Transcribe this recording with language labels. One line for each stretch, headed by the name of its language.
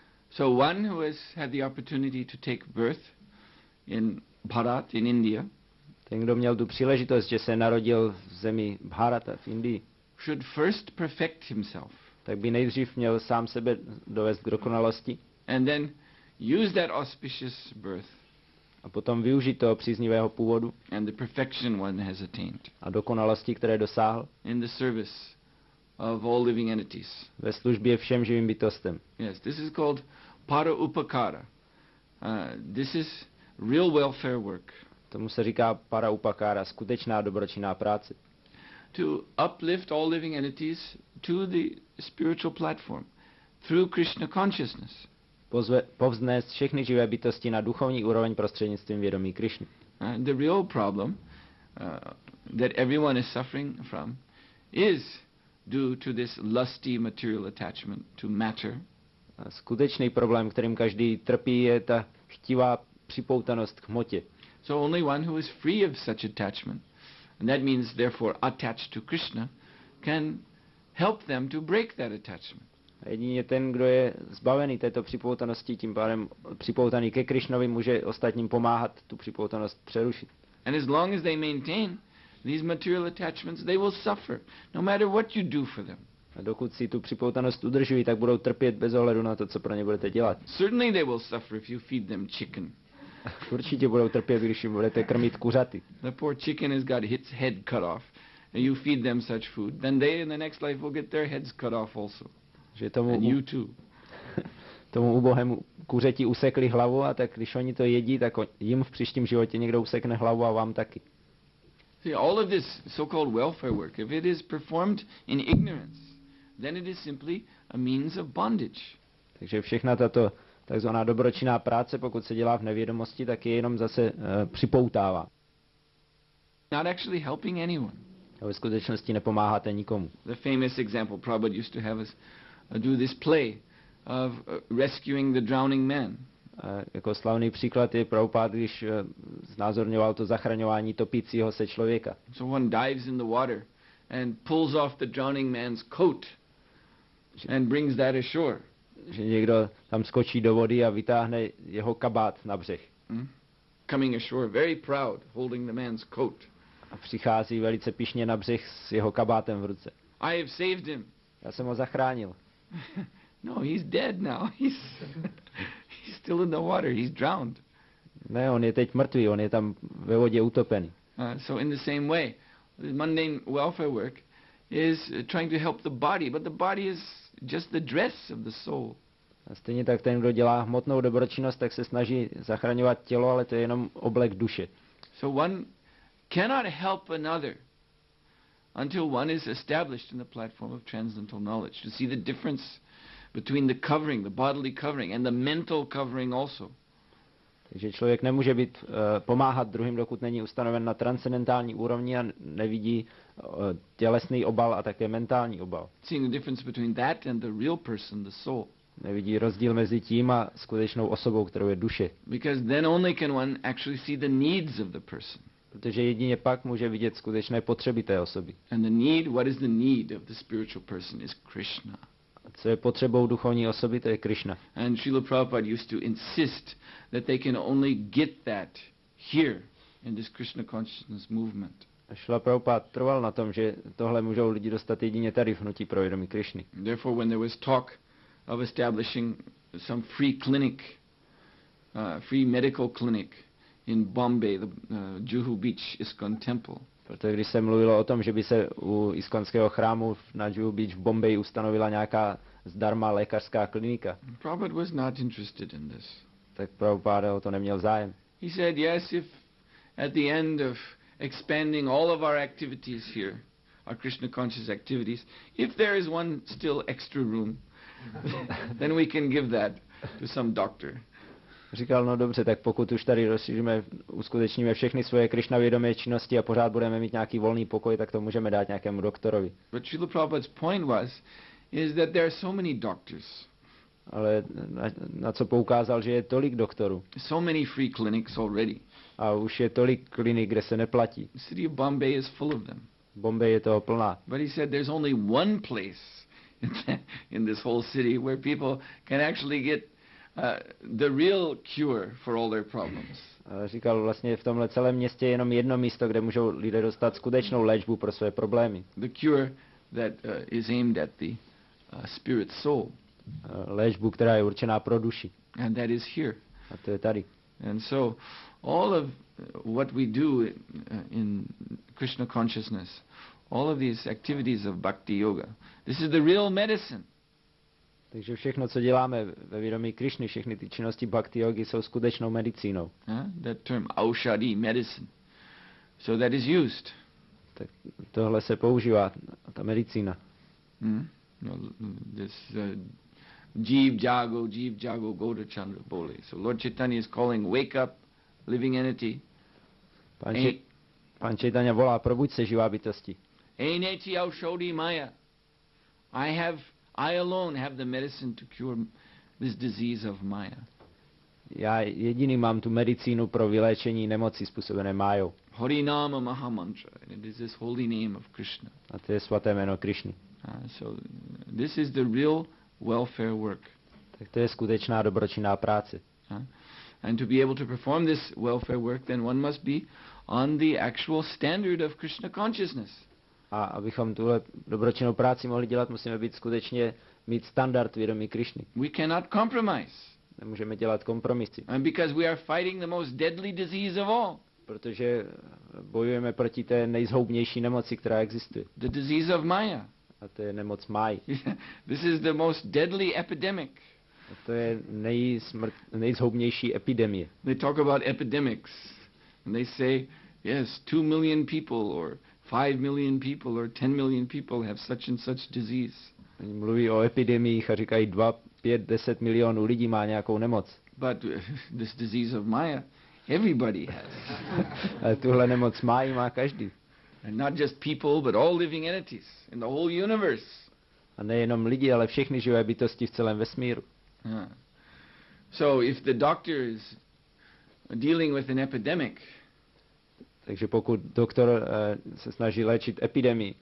English: So one who has had the opportunity to take birth in Bharat, in India,
Czech: ten, kdo měl tu příležitost, že se narodil v zemi Bharata, v Indii,
English: should first perfect himself.
Czech: Tak by nejdřív měl sám sebe dovést k dokonalosti.
English: And then use that auspicious birth.
Czech: A potom využít toho příznivého původu.
English: And the perfection one has attained.
Czech: A dokonalosti, které dosáhl.
English: In the service of all living entities.
Czech: Ve službě všem živým bytostem.
English: Yes, this is called para upakara. This is real welfare work.
Czech: Tomu se říká para upakara, skutečná dobročinná práce.
English: To uplift all living entities to the spiritual platform through Krishna consciousness.
Czech: Povznést všechny živé bytosti na duchovní úroveň prostřednictvím vědomí Krišny.
English: The real problem that everyone is suffering from is due to this lusty material attachment to matter.
Czech: Skutečný problém, kterým každý trpí, je ta chtivá připoutanost k hmotě.
English: So only one who is free of such attachment, and that means therefore attached to Krishna, can help them to break that attachment.
Czech: Jedině ten, kdo je zbavený této připoutanosti, tím pádem připoutaný ke Krišnovi, může ostatním pomáhat tu připoutanost přerušit.
English: And as long as they maintain these material attachments, they will suffer, no matter what you do for them.
Czech: A dokud si tu připoutanost udrží, tak budou trpět bez ohledu na to, co pro ně budete dělat.
English: Certainly they will suffer if you feed them chicken.
Czech: Určitě budou trpět, když jim budete krmit kuřaty.
English: The poor chicken has got its head cut off, and you feed them such food, then they in the next life will get their heads cut off also.
Czech: Že tomu,
English: and you too.
Czech: Tomu ubohému kuřeti usekli hlavu, a tak když oni to jedí, tak jim v příštím životě někdo usekne hlavu a vám taky.
English: See, all of this so-called welfare work, if it is performed in ignorance, then it is simply a means of bondage.
Czech: Takže všechna tato takzvaná dobročinná práce, pokud se dělá v nevědomosti, tak je jenom zase připoutává.
English: Not actually helping anyone.
Czech: A ve skutečnosti nepomáháte nikomu.
English: The famous example Prabhupada used to have us do this play of rescuing the drowning man.
Czech: Jako slavný příklad je Prabhupád, když znázorňoval to zachraňování topícího se člověka.
English: So one dives in the water and pulls off the drowning man's coat and brings that ashore.
Czech: Že někdo tam skočí do vody a vytáhne jeho kabát na břeh.
English: Coming ashore very proud, holding the man's coat.
Czech: A přichází velice pyšně na břeh s jeho kabátem v ruce.
English: I have saved him.
Czech: Já jsem ho zachránil.
English: No, he's dead now. He's still in the water. He's drowned.
Czech: Ne, on je teď mrtvý, on je tam ve vodě utopený.
English: So in the same way, the mundane welfare work is trying to help the body, but the body is just the dress of the soul.
Czech: A stejně tak ten, kdo dělá hmotnou dobročinnost, tak se snaží zachraňovat tělo, ale to je jenom oblek duše.
English: So one cannot help another until one is established in the platform of transcendental knowledge to see the difference between the covering, the bodily covering and the mental covering also.
Czech: Takže člověk nemůže být pomáhat druhým, dokud není ustanoven na transcendentální úrovni a nevidí tělesný obal a také mentální obal.
English: Seeing the difference between that and the real person, the soul.
Czech: Nevidí rozdíl mezi tím a skutečnou osobou, kterou je duše.
English: Because then only can one actually see the needs of the person.
Czech: Protože jedině pak může vidět skutečné potřeby té osoby.
English: And the need, what is the need of the spiritual person is Krishna.
Czech: Co je potřebou duchovní osoby, to je Krishna.
English: And Srila Prabhupada used to insist that they can only get that here in this Krishna consciousness movement.
Czech: Srila Prabhupada trval na tom, že tohle můžou lidi dostat jedině tady v hnutí pro vědomí Krishny.
English: Therefore when there was talk of establishing some free clinic, free medical clinic in Bombay, the Juhu Beach ISKCON temple.
Czech: Protože když se mluvilo o tom, že by se u iskonského chrámu na Juhu Beach v Bombay ustanovila nějaká zdarma lékařská klinika.
English: Prabhupada was not interested in this.
Czech: Tak Prabhupada o to neměl zájem.
English: He said, yes, if at the end of expanding all of our activities here, our Krishna conscious activities, if there is one still extra room, then we can give that to some doctor.
Czech: Říkal, no dobře, tak pokud už tady rozšíříme, uskutečníme všechny svoje Krishna vědomé činnosti a pořád budeme mít nějaký volný pokoj, tak to můžeme dát nějakému doktorovi.
English: But Srila Prabhupada's point was, is that there are so many doctors.
Czech: Ale na co poukázal, že je tolik doktorů.
English: So many free clinics already.
Czech: A už je tolik klinik, kde se neplatí.
English: The city of Bombay is full of them.
Czech: Bombay je toho plná.
English: But he said there's only one place in this whole city where people can actually get the real cure for all their problems.
Czech: Říkal vlastně v tomhle celém městě jenom jedno místo, kde můžou lidé dostat skutečnou léčbu pro své problémy.
English: The cure that is aimed at the spirit soul.
Czech: Léčbu, která je určená pro duši.
English: And that is here.
Czech: A to je tady.
English: And so all of what we do in Krishna consciousness, all of these activities of bhakti yoga, this is the real medicine.
Czech: Takže všechno, co děláme ve vědomí Krišny, všechny ty činnosti bhakti yogi jsou skutečnou medicínou.
English: That term aushadi, medicine. So that is used.
Czech: Tak tohle se používá, ta medicína. No, this jeev jago, go to Chandra Boli.
English: So Lord Chaitanya is calling, wake up, living entity.
Czech: Pan Chaitanya volá, probuď se, živá bytosti. Eneti aushadi maya.
English: I alone have the medicine to cure this disease of Maya.
Czech: Já jediný mám tu medicínu pro vyléčení nemoci způsobené Mayou.
English: Hari Nama Mahamantra, and it is this holy name of Krishna.
Czech: A to je svaté jméno Krišny.
English: So this is the real welfare work.
Czech: Tak to je skutečná dobročinná práce.
English: And to be able to perform this welfare work, then one must be on the actual standard of Krishna consciousness.
Czech: A abychom tuhle dobročinnou práci mohli dělat, musíme být skutečně mít standard vědomí Krišny.
English: We cannot compromise.
Czech: Nemůžeme dělat kompromisy.
English: And because we are fighting the most deadly disease of all.
Czech: Protože bojujeme proti té nejzhoubnější nemoci, která existuje.
English: The disease of Maya.
Czech: A to je nemoc Maji.
English: This is the most deadly epidemic.
Czech: A to je nejzhoubnější epidemie.
English: They talk about epidemics. And they say, yes, 2 million people or 5 million people or 10 million people have such and such disease.
Czech: Oni mluví o epidemiích a říkají 2, 5, 10 milionů lidí má nějakou nemoc.
English: But this disease of Maya, everybody has.
Czech: A tuhle nemoc Mayi má každý.
English: And not just people, but all living entities in the whole universe.
Czech: A nejenom lidi, ale všechny živé bytosti v celém vesmíru.
English: So if the doctor is dealing with an epidemic,
Czech: takže pokud doktor se snaží léčit epidemii,